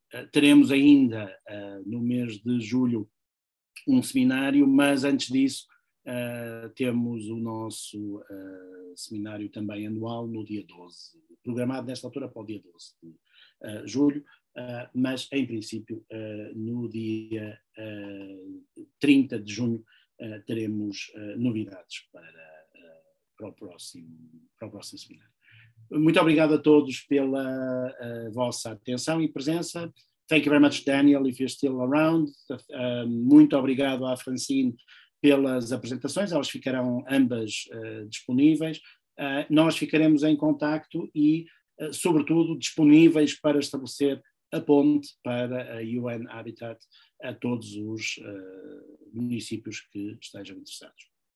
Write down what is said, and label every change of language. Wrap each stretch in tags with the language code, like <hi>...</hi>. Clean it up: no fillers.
<pt>Teremos ainda no mês de julho um seminário, mas antes disso temos o nosso seminário também anual no dia 12, programado nesta altura para o dia 12 de julho, mas em princípio no dia 30 de junho teremos novidades para o próximo seminário. Muito obrigado a todos pela vossa atenção e presença.</pt> <en>Thank you very much, Daniel, if you're still around.</en> <pt>Muito obrigado à Francine pelas apresentações, elas ficarão ambas disponíveis. Nós ficaremos em contacto e, sobretudo, disponíveis para estabelecer a ponte para a UN Habitat a todos os municípios que estejam interessados.</pt>